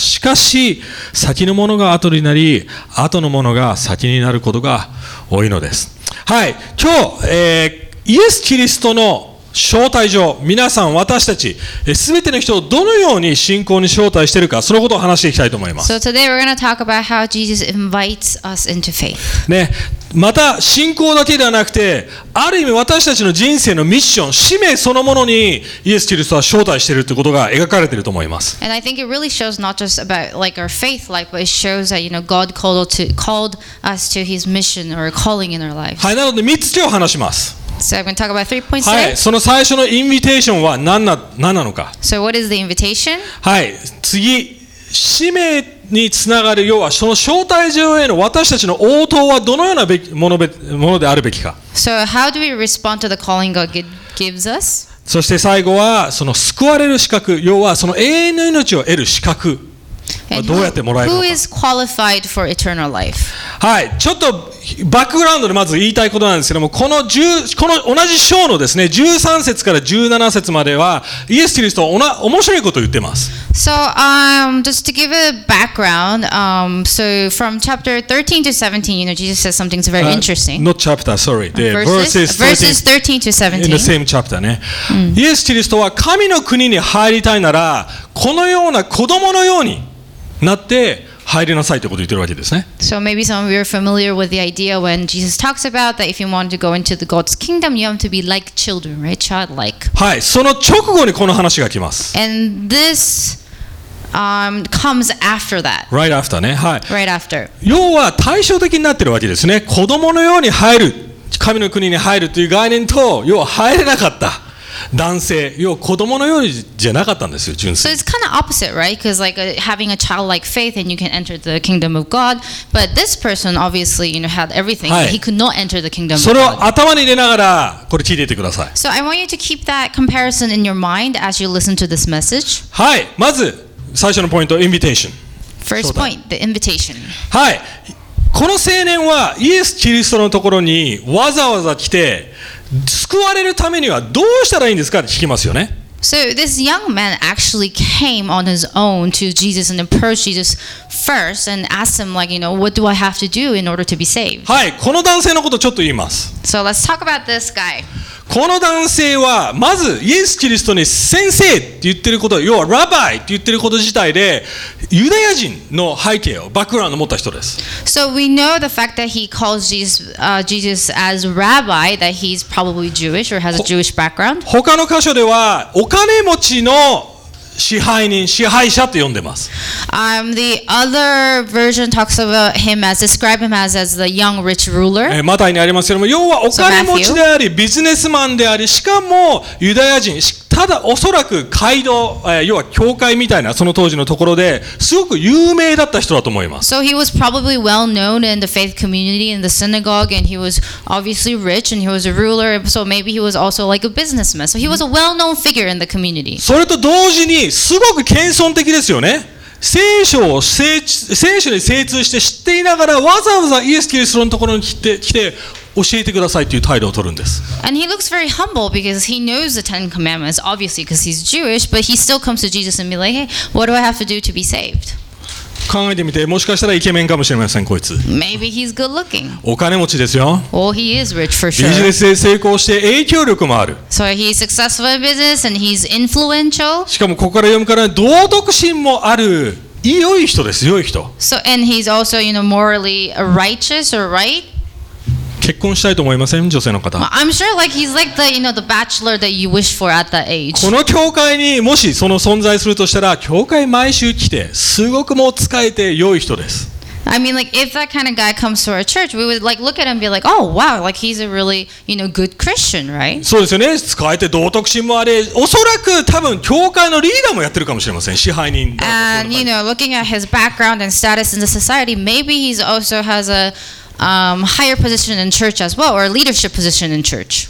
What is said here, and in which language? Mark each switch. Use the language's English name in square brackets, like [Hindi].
[Japanese] しかし先のものが後になり、後のものが先になることが多いのです。はい、今日、イエス・キリストの招待状、皆さん、私たち、全ての人をどのように信仰に招待しているか、そのことを話していきたいと思います。 [English] So today we're going to talk about how Jesus invites us into faith. [Japanese] ね、また信仰だけではなくて、ある意味私たちの人生のミッション、使命そのものにイエス・キリストは招待しているということが描かれていると思います。 [English] And I think it really shows not just about like our faith life, but it shows that you know, God called us to his mission or calling in our lives. [Japanese] はい、なので3つ今日話します。 [English] So I'm going to talk about three points. [Japanese] はい、その最初のインビテーションは何なのか。 [English] So what is the invitation? [Japanese] はい、次、使命につながる、要はその招待状への私たちの応答はどのようなものであるべきか。 [English] So how do we respond to the calling God gives us? [Japanese] そして最後はその救われる資格、要はその永遠の命を得る資格。どうやってもらえるのか。 [English] Who is qualified for eternal life? [Japanese] はい、ちょっとバックグラウンドでまず言いたいことなんですけども、この同じ章のですね、13節から17節まではイエス・キリスト面白いことを言ってます。 [English] So, just to give a background, so from chapter 13 to 17, you know, Jesus says something that's very interesting. Not chapter, sorry. Verses 13 to 17. In the same chapter, ね。 [Japanese] イエス・キリストは神の国に入りたいなら、このような子供のようになって入りなさいということを言ってるわけですね。 [English] So maybe some of you are familiar with the idea when Jesus talks about that if you want to go into the God's kingdom, you have to be like children, right? Childlike. [Japanese] はい、その直後にこの話が来ます。 [English] And this comes after that. Right after ね、はい。 Right after. [Japanese] 要は対照的になってるわけですね。子供のように入る、神の国に入るという概念と、要は入れなかった。男性、要は子供のようにじゃなかったんですよ、純粋。 [English] So it's kind of opposite, right? Because like having a childlike faith and you can enter the kingdom of God, but this person obviously, you know, had everything. He could not enter the kingdom of God. [Japanese] それを頭に入れながらこれ聞いていてください。 [English] So I want you to keep that comparison in your mind as you listen to this message. [Japanese] はい、まず最初のポイント、invitation。 [English] First point, the invitation. [Japanese] はい、この青年はイエス・キリストのところにわざわざ来て、救われるためにはどうしたらいいんですかって聞きますよね。 [English] So this young man actually came on his own to Jesus and approached Jesus first and asked him like, you know, what do I have to do in order to be saved? [Japanese] はい、この男性のことちょっと言います。 [English] So let's talk about this guy. [Japanese] この男性はまずイエス・キリストに先生って言ってること、要はラバイって言ってること自体でユダヤ人の背景を、バックグラウンドを持った人です。 [English] So we know the fact that he calls Jesus as rabbi, that he's probably Jewish or has a Jewish background. [Japanese] 他の箇所ではお金持ちの支配人、支配者と呼んでます。 [English] The other version talks about him as describe him as the young rich ruler. [Japanese] マタイにありますけども、要はお金持ちであり、ビジネスマンであり、しかもユダヤ人。ただおそらく街道、要は教会みたいなその当時のところですごく有名だった人だと思います。 [English] So he was probably well known in the faith community in the synagogue, and he was obviously rich, and he was a ruler. So maybe he was also like a businessman. So he was a well-known figure in the community. [Japanese] それと同時にすごく謙遜的ですよね。聖書に精通して知っていながらわざわざイエス・キリストのところに来て。教えてくださいという態度を取るんです。 [English] And he looks very humble because he knows the Ten Commandments, obviously because he's Jewish, but he still comes to Jesus and be like, hey, what do I have to do to be saved? [Japanese] 考えてみて、もしかしたらイケメンかもしれません、こいつ。 [English] Maybe he's good looking. [Japanese] お金持ちですよ。 [English] Well, he is rich for sure. [Japanese] ビジネスで成功して影響力もある。 [English] So he's successful in business and he's influential. [Japanese] しかもここから読むから道徳心もある。良い人です、良い人。 [English] So, and he's also, you know, morally righteous or right? [Japanese] 結婚したいと思いません、女性の方。 [English] I'm sure like he's like the, you know, the bachelor that you wish for at that age. [Japanese] この教会にもしその存在するとしたら、教会毎週来て、すごくもう使えて良い人です。 [English] I mean like if that kind of guy comes to our church, we would like look at him and be like, oh wow, like he's a really, you know, good Christian, right? [Japanese] そうですよね。使えて道徳心もあれ、おそらく多分教会のリーダーもやってるかもしれません、支配人。 [English] And you know, looking at his background and status in the society, maybe he's also has a higher position in church as well, or a leadership position in church.